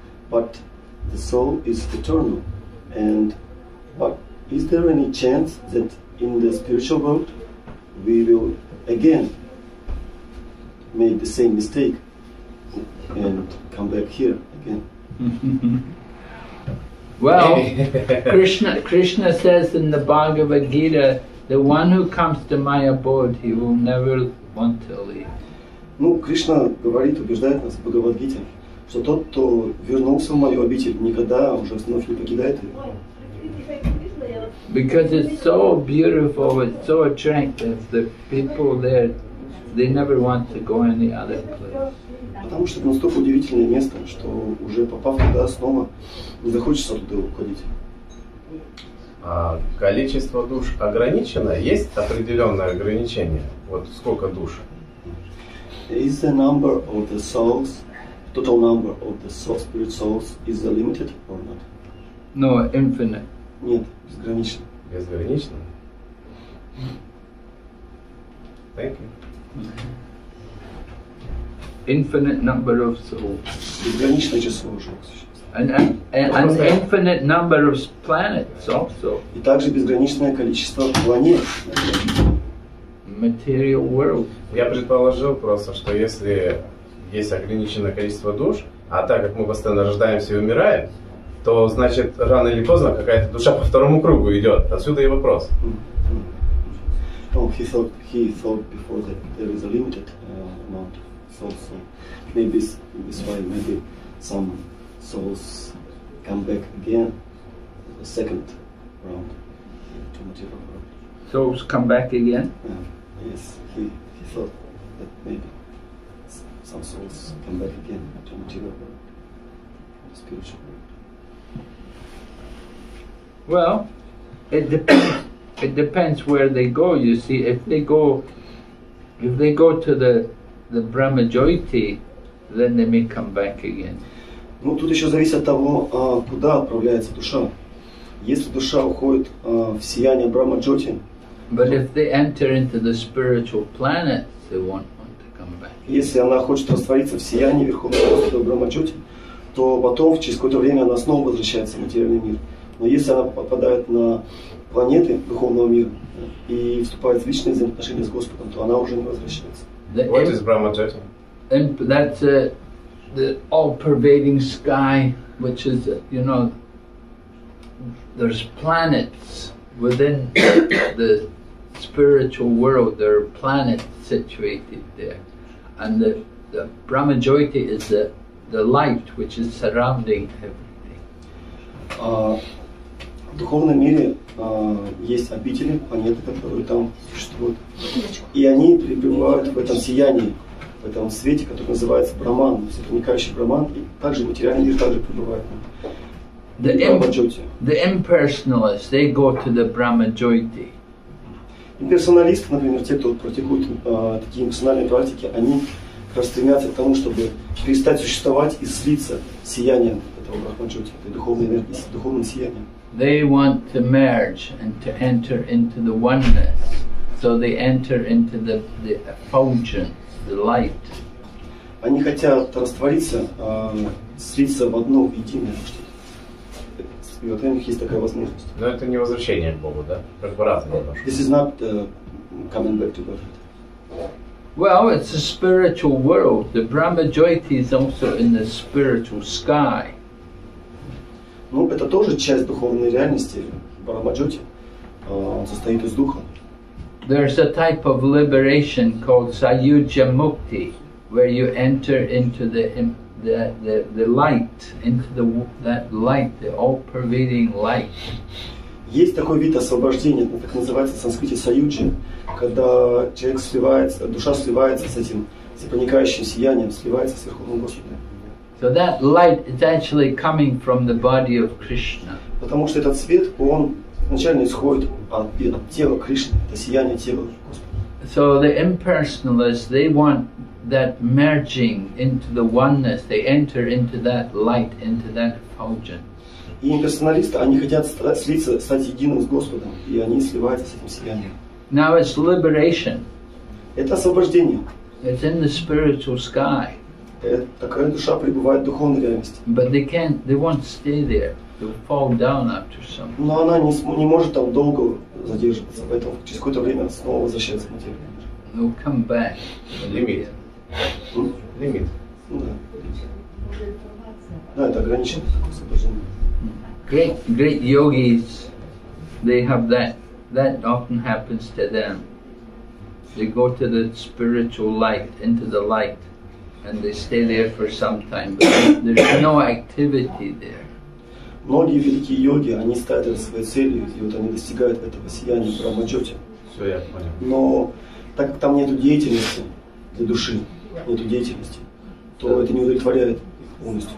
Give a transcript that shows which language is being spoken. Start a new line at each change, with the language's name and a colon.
English: But the soul is eternal, and but is there any chance that in the spiritual world we will again make the same mistake and come back here again? Well, Krishna says in the Bhagavad Gita, the one who comes to my abode, he will never want to leave.
Russian: Ну, Кришна говорит, убеждает нас в Бхагавад Гите, что тот, кто вернулся в мою обитель, никогда уже вновь не покидает ее.
English: Because it's so beautiful, it's so attractive, the people there, they never want to go any other place.
Russian: Потому что это настолько удивительное место, что уже попав туда снова, не захочется туда уходить. А количество душ ограничено? Есть определенное ограничение? Вот сколько душ?
English: Is the number of the souls, total number of the soul, spirit souls, is it limited or not? No, infinite.
Russian: Нет, безгранично. Безгранично?
English: Thank you. Infinite number of souls.
Russian: Безграничное число уже существует.
English: And infinite number of planets also.
Russian: И также безграничное количество планет.
English: Material world.
Russian: Я предположил просто, что если есть ограниченное количество душ, а так как мы постоянно рождаемся и умираем, то значит рано или поздно какая-то душа по второму кругу идет. Отсюда и вопрос.
English: Oh, he thought before that there is a limited amount of souls. So maybe this why maybe some souls come back again the second round to material world. Souls come back again? Yes, he thought that maybe some souls come back again to material world, spiritual world. Well, it depends where they go. You see, if they go to the Brahma Jyoti, then they may come back again.
Russian: Ну, тут еще зависит от того, куда отправляется душа. Если душа уходит в сияние Брахма Джоти.
English: But if they enter into the spiritual planets, they won't want to come back.
Russian: Если она хочет раствориться в сиянии Верховного Господа Брахма Джоти, то потом через какое-то время она снова возвращается в материальный мир. Но если она попадает на планеты духовного мира и вступает в личные взаимоотношения с Господом, то она уже не возвращается.
English: What is Brahma Jyoti? That's the all-pervading sky, which is, you know, there's planets within the spiritual world, their planet situated there, and the Brahma Jyoti is the light which is surrounding everything.
Russian: В духовном мире есть обители, планеты, которые там существуют, и они пребывают в этом сиянии, в этом свете, который называется Брахман, всепроникающий Брахман, и также материальный мир также пребывает.
English: The impersonalists, they go to the Brahma Jyoti.
Russian: Имперсоналисты, например, те, кто практикует такие имперсональные практики, они стремятся к тому, чтобы перестать существовать и слиться с сиянием этого Брахма Джоти, этой духовной энергии, с духовным сиянием.
English: They want to merge and to enter into the oneness, so they enter into the effulgence, the light.
Russian: Они хотят раствориться, слиться в одно единое. И вот у них есть такая возможность. Но это не возвращение к Богу, да? Как бы разное.
English: This is not coming back to God. Well, it's a spiritual world. The Brahma Jyoti is also in the spiritual sky.
Russian: Ну, это тоже часть духовной реальности, Брахма Джоти. Он состоит из духа.
English: There's a type of liberation called Sayujya Mukti, where you enter into the light, into that light, the all-pervading light.
Russian: Есть такой вид освобождения, это так называется в санскрите саюджи, когда человек сливается, душа сливается с этим всепроникающим сиянием, сливается с Верховным Господом.
English: So that light is actually coming from the body of Krishna.
Russian: Потому что этот свет, он изначально исходит от тела Кришны, это сияние тела Господа.
English: So the impersonalists, they want that merging into the oneness, they enter into that light, into that effulgence.
Russian: И имперсоналисты, они хотят слиться, стать единым с Господом, и они сливаются с этим сиянием.
English: Now it's liberation.
Russian: Это освобождение.
English: It's in the spiritual sky.
Russian: Такая душа пребывает в духовной реальности.
English: But they won't stay there. They'll fall down after some.
Russian: Но она не может там долго задерживаться, поэтому через какое-то время снова возвращается в материю.
English: They'll come back.
Russian: Лимит. Лимит. Да. Да, это ограничено такое освобождение.
English: Great yogis, they have that. That often happens to them. They go to the spiritual light, into the light, and they stay there for some time. But there's no activity there.
Russian: Многие великие йоги, они ставят это своей целью, и вот они достигают этого сияния в Брахмачёте. Все, я понял. Но так как там нету деятельности для души, нету деятельности, то это не удовлетворяет их полностью.